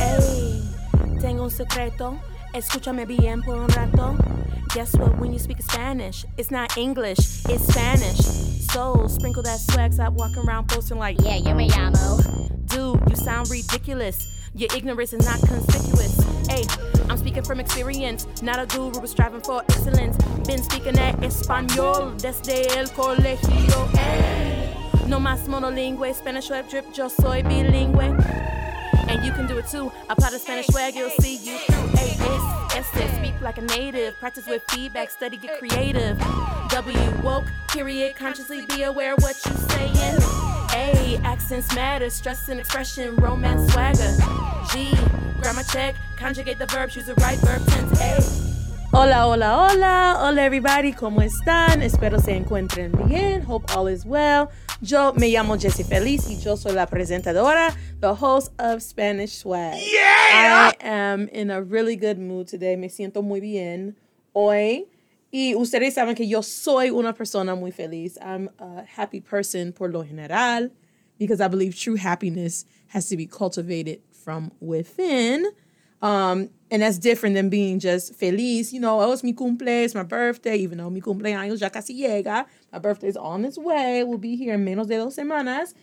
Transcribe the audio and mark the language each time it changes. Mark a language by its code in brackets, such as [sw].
[es] A, tengo un secreto, escúchame bien por un rato. [en] Guess what, when you speak Spanish, it's not English, it's Spanish. So, sprinkle that swag, stop walking around posting like, [es] yeah, yo me llamo. [en] Dude, you sound ridiculous. Your ignorance is not conspicuous. Hey, I'm speaking from experience, not a guru striving for excellence. Been speaking that Espanol [es] desde el colegio. Hey, no más monolingüe, [en] Spanish web drip, [es] yo soy bilingüe. [en] And you can do it too, apply the Spanish swag, you'll see you through. Hey, this, este, speak like a native, practice with feedback, study, get creative. W, woke, period, consciously be aware what you saying. A, accents matter, stress and expression, romance, swagger. G, grammar check, conjugate the verbs, use the right verb tense. A. [es] Hola, hola, hola. Hola, everybody. ¿Cómo están? Espero se encuentren bien. [en] Hope all is well. [es] Yo me llamo Jessie Feliz y yo soy la presentadora, [en] the host of Spanish Swag. Yeah! I am in a really good mood today. [es] Me siento muy bien hoy. Y ustedes saben que yo soy una persona muy feliz. [en] I'm a happy person [es] por lo general [en] because I believe true happiness has to be cultivated from within. And that's different than being just feliz. You know, it's [es] mi cumple, [en] it's my birthday, even though [es] mi cumpleaños ya casi llega. [en] My birthday's on its way. We'll be here in [es] menos de dos semanas.